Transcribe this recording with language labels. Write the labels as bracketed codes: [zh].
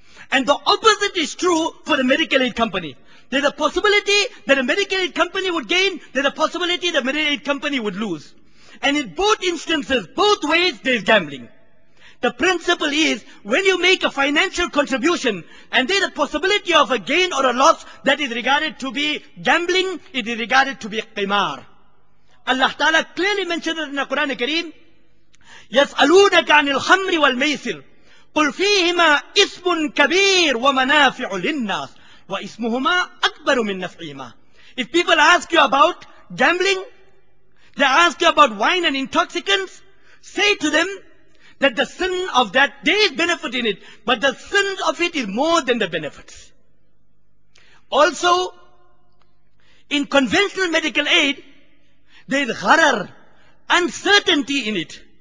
[en] And the opposite is true for the medical aid company. There's a possibility that a medical aid company would gain, there's a possibility the medical aid company would lose. And in both instances, both ways, there's gambling. The principle is, when you make a financial contribution, and there's a possibility of a gain or a loss, that is regarded to be gambling, it is regarded to be qimar. Allah Ta'ala clearly mentioned it in the Quran al-Kareem, [ar] يَسْأَلُونَكَ عَنِ الْخَمْرِ وَالْمَيْسِرِ قُلْ فِيهِمَا إِسْمٌ كَبِيرٌ وَمَنَافِعُ لِلنَّاسِ وَإِسْمُهُمَا أَكْبَرُ مِنْ نَفْعِهِمَا. [en] If people ask you about gambling, they ask you about wine and intoxicants, say to them that the sin of that, there is benefit in it, but the sin of it is more than the benefits. Also, in conventional medical aid, there is gharar, uncertainty in it.